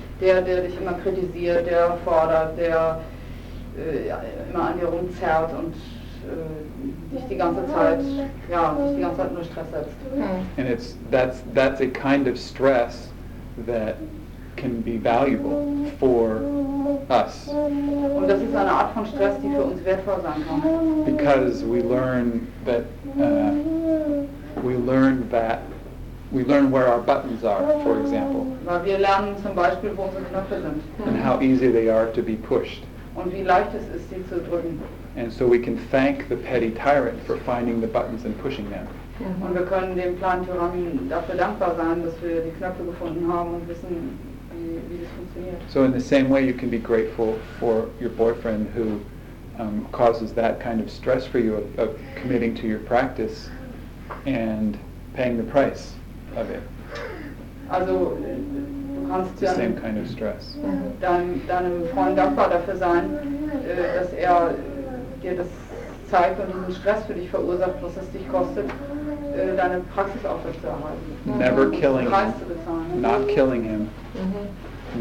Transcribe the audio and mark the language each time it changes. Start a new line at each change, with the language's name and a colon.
German: der dich immer kritisiert, der fordert, der immer an dir rumzerrt und dich die ganze Zeit, ja, dich die ganze Zeit nur Stress setzt.
English: And it's that's a kind of stress that can be valuable for us.
German: Und das ist eine Art von Stress, die für uns wertvoll sein kann.
English: Because we learn where our buttons are, for example.
German: Weil wir lernen zum Beispiel, wo unsere Knöpfe sind.
English: And how easy they are to be pushed.
German: Und wie leicht es ist, sie zu drücken.
English: And so we can thank the petty tyrant for finding the buttons and pushing them. Mm-hmm.
German: Und wir können dem kleinen Tyrannen dafür dankbar sein, dass wir die Knöpfe gefunden haben und wissen, wie das funktioniert.
English: So in the same way, you can be grateful for your boyfriend who causes that kind of stress for you of committing to your practice and paying the price of it.
German: Also,
English: the same kind of stress.
German: Deinem Freund dankbar dafür sein, dass er dir das zeigt und diesen Stress für dich verursacht, was es dich kostet, deine Praxis aufrechtzuerhalten.
English: Never killing him. Not killing him. Mm-hmm.